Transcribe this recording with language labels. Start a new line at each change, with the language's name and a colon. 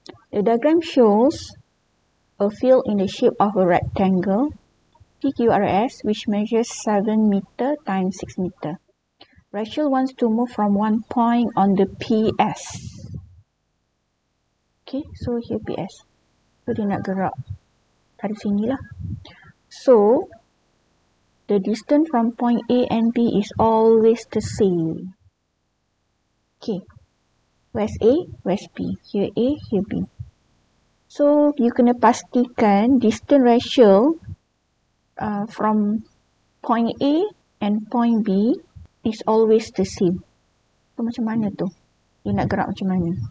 English: The diagram shows a field in the shape of a rectangle, PQRS, which measures 7 meter times 6 meter. Rachel wants to move from one point on the PS. Okay, so here PS.
Malay: So dia nak gerak dari sini lah.
English: So, the distance from point A and B is always the same. Okay, where's A, where's B? Here A, here B. So, you kena pastikan distance ratio from point A and point B is always the same. So, macam mana tu? You nak gerak macam mana?